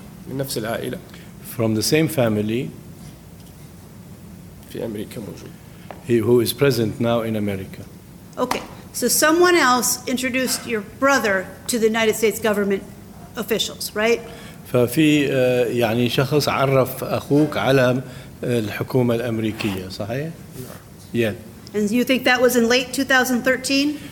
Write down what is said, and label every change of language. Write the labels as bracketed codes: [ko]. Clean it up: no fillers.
[ar] من نفس العائلة. [en] From the same family. [ar] في أمريكا موجود. [en] He who is present now in America. Okay, so someone else introduced your brother to the United States government officials, right? [ar] ففي يعني شخص عرف أخوك على الحكومة الأمريكية، صحيح؟ نعم. [en] Yeah. And you think that was in late 2013?